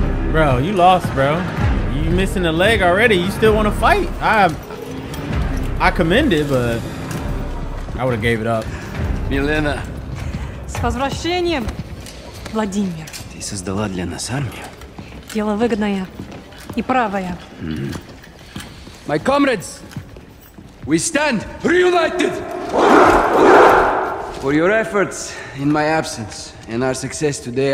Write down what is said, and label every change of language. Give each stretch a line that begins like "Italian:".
English: Bro, you lost, bro. You missing a leg already. You still want to fight? I commend it, but I would have gave it up. Milena.
Russian: С возвращением, Владимир. Ты создала для нас армию. Дело выгодное и правое.
English: My comrades, we stand reunited for your efforts in my absence and our success today.